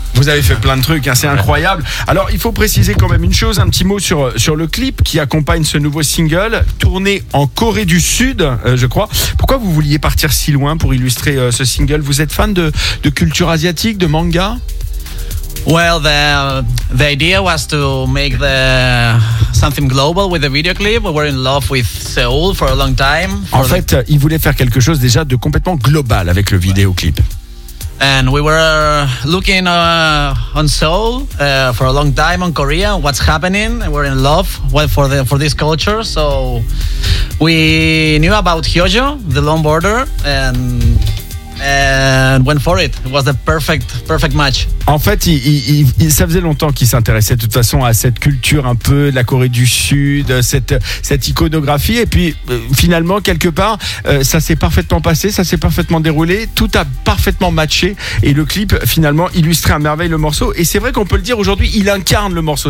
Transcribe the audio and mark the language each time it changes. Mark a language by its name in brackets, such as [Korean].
[French] Vous avez fait plein de trucs, hein, c'est incroyable. Alors, il faut préciser quand même une chose, un petit mot sur le clip qui accompagne ce nouveau single, tourné en Corée du Sud, je crois. Pourquoi vous vouliez partir si loin pour illustrer ce single? Vous êtes fan de culture asiatique, de manga? [English] Well, the idea was to make something global with the video clip. We were in love with Seoul for a long time. [French] En fait, il voulait faire quelque chose déjà de complètement global avec le vidéo clip. [English] And we were looking on Seoul for a long time, on Korea, what's happening. We were in love for this culture. So we knew about Hyojo, the long border, and went for it. It was the perfect match. [French] En fait, ça faisait longtemps qu'il s'intéressait de toute façon à cette culture un peu de la Corée du Sud, cette iconographie. Et puis finalement, quelque part, ça s'est parfaitement passé, ça s'est parfaitement déroulé, tout a parfaitement matché. Et le clip, finalement, illustrait à merveille le morceau. Et c'est vrai qu'on peut le dire aujourd'hui, il incarne le morceau.